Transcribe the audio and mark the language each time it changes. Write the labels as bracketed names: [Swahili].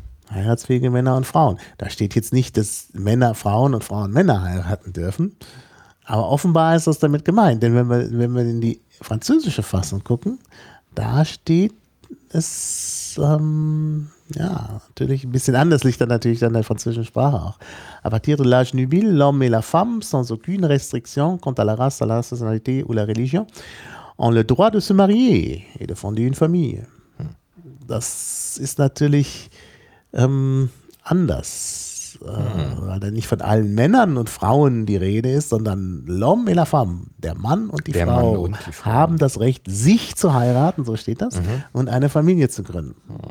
[German] Heiratsfähige Männer und Frauen. Da steht jetzt nicht, dass Männer Frauen und Frauen Männer heiraten dürfen. Aber offenbar ist das damit gemeint. Denn wenn wir in die französische Fassung gucken, da steht es ja, natürlich ein bisschen anders, liegt dann natürlich dann in der französischen Sprache auch. [French] À partir de l'âge nubil, l'homme et la femme, sans aucune restriction quant à la race, à la nationalité ou la religion, ont le droit de se marier et de fonder une famille. [German] Das ist natürlich anders, weil da nicht von allen Männern und Frauen die Rede ist, sondern [French] l'homme et la femme, [German] der Mann und die Frau, haben das Recht, sich zu heiraten, so steht das, und eine Familie zu gründen.